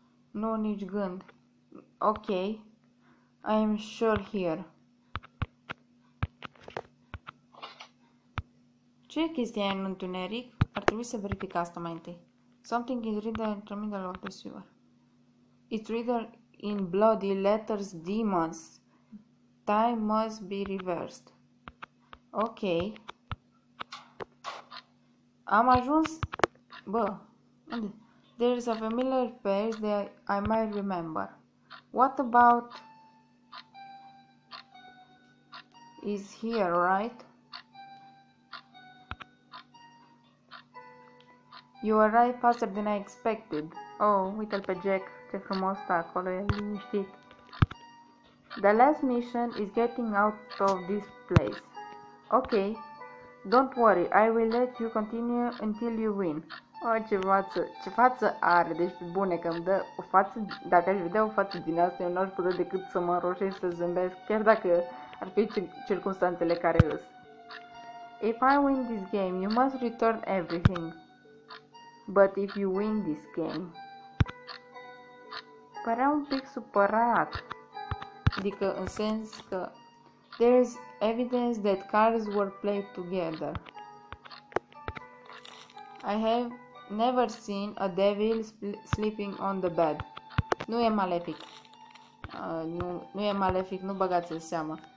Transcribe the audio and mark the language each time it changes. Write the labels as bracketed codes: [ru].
[ro] Nu, nici gând. Ok. [en] I am sure here. [ro] Ce chestia e în întuneric? Ar trebui să verific asta mai întâi. [en] Something is written in the middle of the sewer. It's written in bloody letters, demons. Time must be reversed. Ok. [ro] Am ajuns... Bă, unde? [en] There is a familiar face that I might remember. What about... Is here, right? You arrived faster than I expected. [ro] Oh, uite-l pe Jack, ce frumos stă acolo, e liniștit. [en] The last mission is getting out of this place. Ok, don't worry, I will let you continue until you win. [ro] O, ce față, ce față are, deci pe bune că îmi dă o față, dacă aș vedea o față din asta, eu n-aș putea decât să mă înroșesc, să zâmbesc, chiar dacă ar fi circunstanțele care îs. [en] If I win this game, you must return everything. But if you win this game. [ro] Părea un pic supărat. Adică, în sens că [en] there is evidence that cards were played together. I have never seen a devil sleeping on the bed. [ro] Nu e malefic. Nu e malefic, nu băgați în seamă.